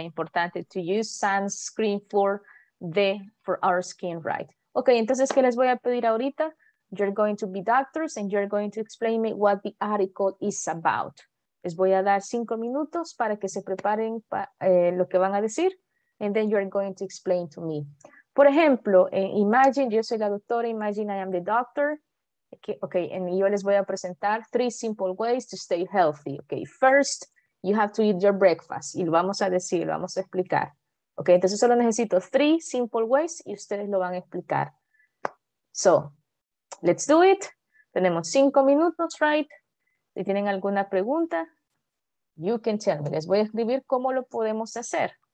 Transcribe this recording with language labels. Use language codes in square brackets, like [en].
[en] Importante to use sunscreen for our skin, right? [es] Okay, entonces, ¿qué les voy a pedir ahorita? [en] You're going to be doctors and you're going to explain me what the article is about. [es] Les voy a dar 5 minutos para que se preparen lo que van a decir. [en] And then you're going to explain to me. [es] Por ejemplo, [en] imagine, [es] yo soy la doctora, [en] imagine I am the doctor. Okay, and [es] yo les voy a presentar [en] 3 simple ways to stay healthy. Okay, first, you have to eat your breakfast. [es] Y lo vamos a decir, lo vamos a explicar. Okay, entonces solo necesito 3 simple ways y ustedes lo van a explicar. [en] So, let's do it. [es] Tenemos 5 minutos, [en] right? [es] Si tienen alguna pregunta, [en] you can tell me. [es] Les voy a escribir cómo lo podemos hacer.